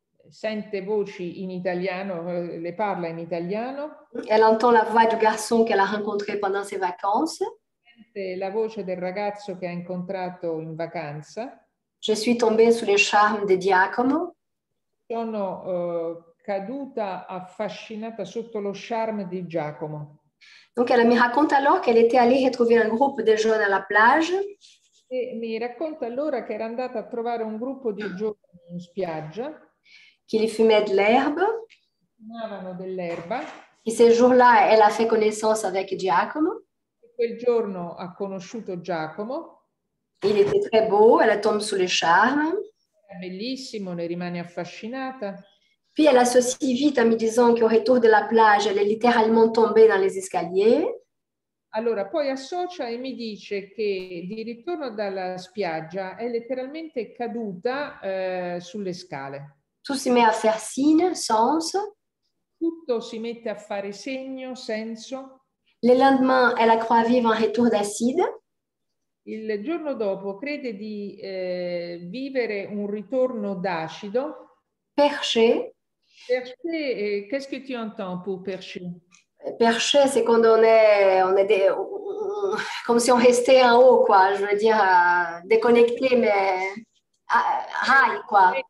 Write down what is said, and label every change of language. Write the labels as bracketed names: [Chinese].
[Italian] Sente voci in italiano, le parla in italiano. [French] Elle entend la voix du garçon qu'elle a rencontré pendant ses vacances. [Italian] Sente la voce del ragazzo che ha incontrato in vacanza. [French] Je suis tombée sous le charme de Giacomo. [Italian] Sono caduta affascinata sotto lo charme di Giacomo. [French] Donc elle me raconte alors qu'elle était allée retrouver un groupe de jeunes à la plage. [Italian] E mi racconta allora che era andata a trovare un gruppo di giovani in spiaggia. [French] Qui les fumaient de l'herbe. [Italian] Fumavano dell'erba. [French] Et ce jour-là, elle a fait connaissance avec Giacomo. [Italian] E quel giorno ha conosciuto Giacomo. [French] Il était très beau, elle tombe sous le charme. [Italian] È bellissimo, ne rimane affascinata. [French] Puis elle associe vite en me disant qu'au retour de la plage, elle est littéralement tombée dans les escaliers. [Italian] Allora, poi associa e mi dice che di ritorno dalla spiaggia è letteralmente caduta sulle scale. [French] Tout se met à faire signe, sens. [Italian] Tutto si mette a fare segno, senso. [French] Le lendemain, elle croit vivre un retour d'acide. [Italian] Il giorno dopo crede di vivere un ritorno d'acido. Perché? Perché? [French] Qu'est-ce que tu entends pour perché? Perché, c'est quand on est des, comme si on restait en haut, quoi. Je veux dire, déconnecté, mais high, quoi.